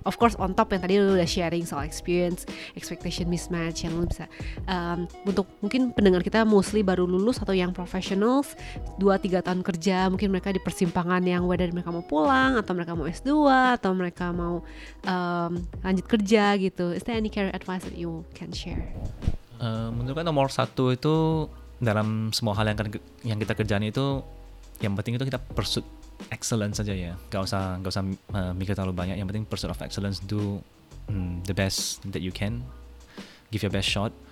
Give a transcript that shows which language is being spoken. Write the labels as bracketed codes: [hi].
[en] Of course on top [id] yang tadi lu udah sharing soal experience, expectation mismatch yang lu bisa untuk mungkin pendengar kita mostly baru lulus atau yang professionals 2-3 tahun kerja, mungkin mereka di persimpangan yang whether mereka mau pulang atau mereka mau S2 atau mereka mau lanjut kerja gitu. [en] Is there any career advice that you can share? [id] Menurutku nomor satu itu dalam semua hal yang kita kerjain itu yang penting itu kita [en] pursuit excellence [id] saja ya. Gak usah mikir terlalu banyak. Yang penting [en] pursuit of excellence, do the best that you can, give your best shot.